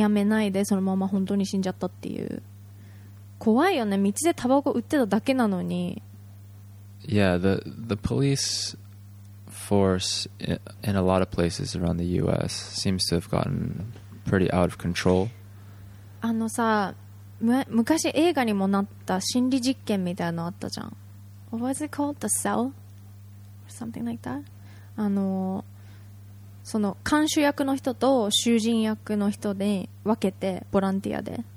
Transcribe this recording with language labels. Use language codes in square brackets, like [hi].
[ja] やめないでそのまま本当に死んじゃったっていう、怖いよね、道でタバコ売ってただけなのに。 [en] Yeah, the police force in a lot of places around the U.S. seems to have gotten pretty out of control. [ja] あのさ、昔映画にもなった心理実験みたいなのあったじゃん。 [en] What was it called? The cell? Something like that? [ja] あの、その看守役の人と囚人役の人で分けて、ボランティアで。